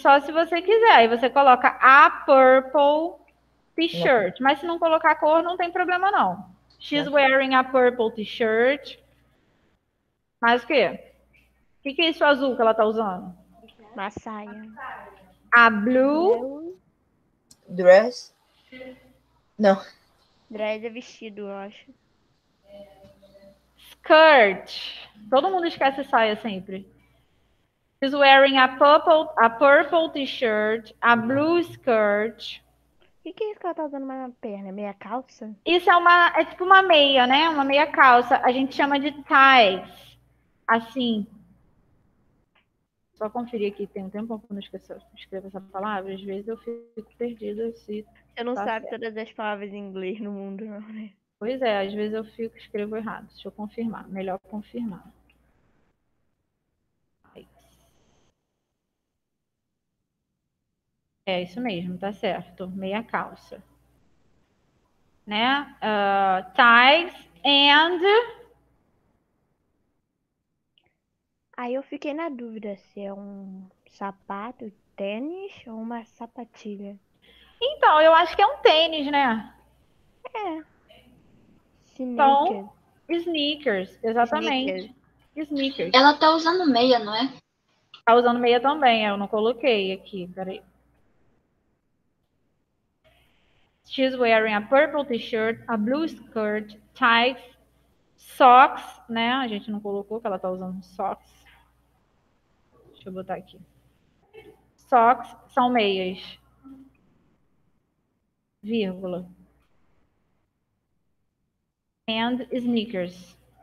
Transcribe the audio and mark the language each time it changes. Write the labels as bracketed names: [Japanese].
[Portuguese] Só se você quiser. Aí você coloca a [English] purple t-shirt. [Portuguese] Não. Mas se não colocar a cor, não tem problema, não. [English] She's wearing a purple t-shirt. [Portuguese] Mas o quê? O que, que é isso azul que ela tá usando? Uma saia. [English] A blue... [Portuguese] Dress? Não. Dress é vestido, eu acho. [English] Skirt. [Portuguese] Todo mundo esquece saia sempre. [English] She's wearing a purple t-shirt, a blue skirt... [Portuguese] O que é isso que ela tá usando na perna? Meia calça? Isso é uma... É tipo uma meia, né? Uma meia calça. A gente chama de ties. Assim. Só conferir aqui. Tem um tempo que eu não escrevo essa palavra. Às vezes eu fico perdida. Eu não sabe todas as palavras em inglês no mundo, não, né? Pois é. Às vezes eu fico escrevo errado. Deixa eu confirmar. Melhor confirmar. É isso mesmo, tá certo. Meia calça. Né? [English] Ties and... [Portuguese] Aí eu fiquei na dúvida se é um sapato, tênis ou uma sapatilha. Então, eu acho que é um tênis, né? É. Sneakers. Então, sneakers, exatamente. [English] Sneakers. [Portuguese] Ela tá usando meia, não é? Tá usando meia também, eu não coloquei aqui, peraí. [English] She's wearing a purple t-shirt, a blue skirt, tights, socks, [Portuguese] né? A gente não colocou que ela tá usando socks. Deixa eu botar aqui. Socks são meias. Vírgula. [English] And sneakers.